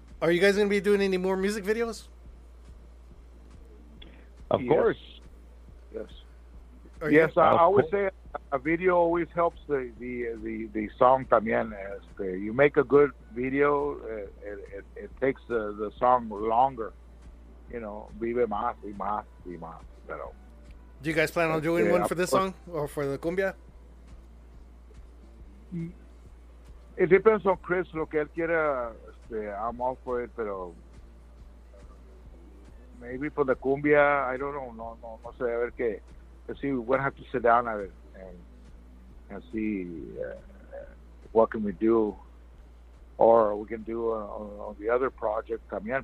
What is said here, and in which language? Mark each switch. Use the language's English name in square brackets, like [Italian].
[English] Are you guys going to be doing any more music videos? Of course. Yes. Yes, I would say a video always helps the song también. You make a good video, it takes the song longer. You know, [Spanish] vive más y más y más. [English] Do you guys plan on doing one for this song or for the cumbia? It depends on Chris, [Spanish] lo que él quiera. [English] I'm all for it, pero... Maybe for the cumbia, I don't know. [Spanish] No sé, a ver qué. [English] Let's see, we're going to have to sit down [Spanish] a ver [English] and see what can we do. Or we can do on the other project también.